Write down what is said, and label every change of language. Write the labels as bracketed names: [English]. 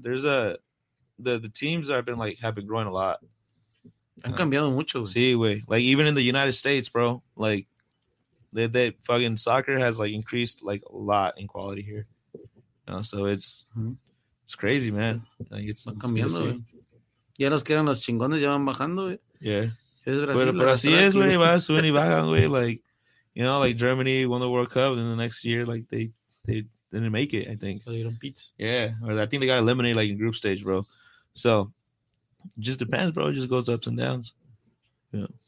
[English] There's a – the teams have been growing a lot. [Spanish] Han cambiado mucho. [English] See, wait. Like, even in the United States, bro, like, they fucking soccer has, like, increased, like, a lot in quality here. You know, so it's crazy, man. Like, it's [Spanish] cambiando. Ya los que eran los chingones ya van bajando, güey. Yeah. Es Brasil. Pero así es, güey. Va suben y bajan, güey. [English] Like, you know, like Germany won the World Cup and the next year, like, they didn't make it, I think. They don't beat. Yeah. Or I think they got eliminated, like, in group stage, bro. So, it just depends, bro. It just goes ups and downs. Yeah.